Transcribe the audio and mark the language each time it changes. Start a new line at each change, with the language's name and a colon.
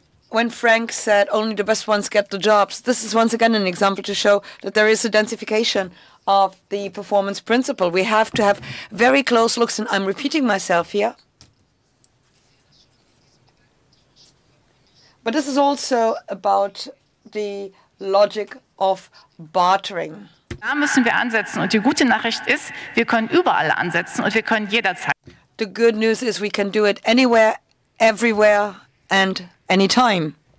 English: When Frank said only the best ones get the jobs, this is once again an example to show that there is a densification of the performance principle. We have to have very close looks, and I'm repeating myself here. But this is also about the logic of bartering.
German: Da müssen wir ansetzen, und die gute Nachricht ist, wir können überall ansetzen und wir können jederzeit.
English: The good news is we can do it anywhere, everywhere, and anytime.